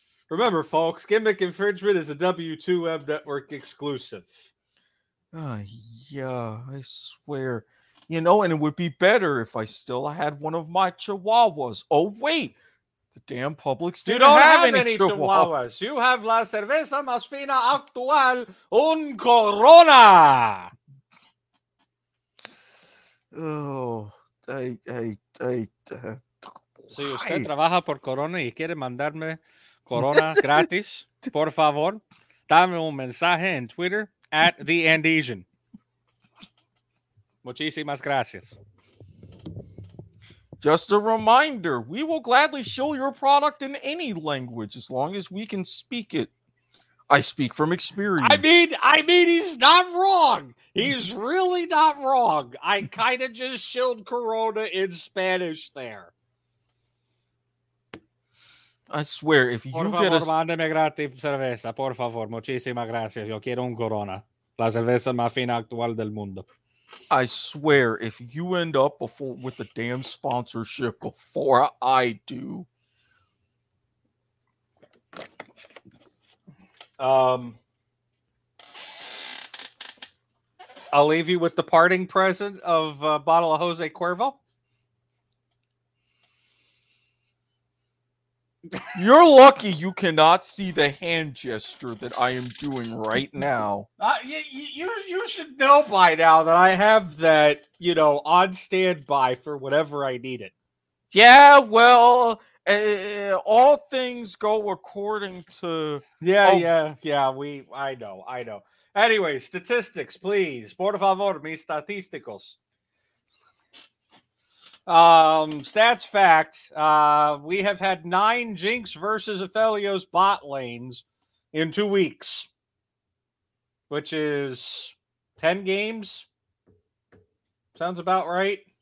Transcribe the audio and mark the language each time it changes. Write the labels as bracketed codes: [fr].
[en] Remember, folks, gimmick infringement is a W2M Network exclusive. Yeah, I swear. You know, and it would be better if I still had one of my chihuahuas. Oh, wait. The damn Publix didn't have any chihuahuas. You have [es] la cerveza más fina actual un Corona. Oh, Si usted trabaja por Corona y quiere mandarme Corona gratis, por favor, dame un mensaje en Twitter at the Andesian. Muchísimas gracias. [en] Just a reminder, we will gladly show your product in any language as long as we can speak it. I speak from experience. I mean, he's not wrong. He's really not wrong. I kind of just shilled Corona in Spanish there. I swear, if you get a... [es] Por favor, mandeme gratis cerveza. Por favor, muchísimas gracias. Yo quiero un Corona. La cerveza más fina actual del mundo. [en] I swear, if you end up before with the damn sponsorship before I do. I'll leave you with the parting present of a bottle of Jose Cuervo. You're lucky you cannot see the hand gesture that I am doing right now. You should know by now that I have that, you know, on standby for whenever I need it. Yeah, well, all things go according to... I know. Anyway, statistics, please. [es] Por favor, mis statisticos. [en] Stats fact, we have had 9 Jinx versus Aphelios bot lanes in 2 weeks, which is 10 games. Sounds about right.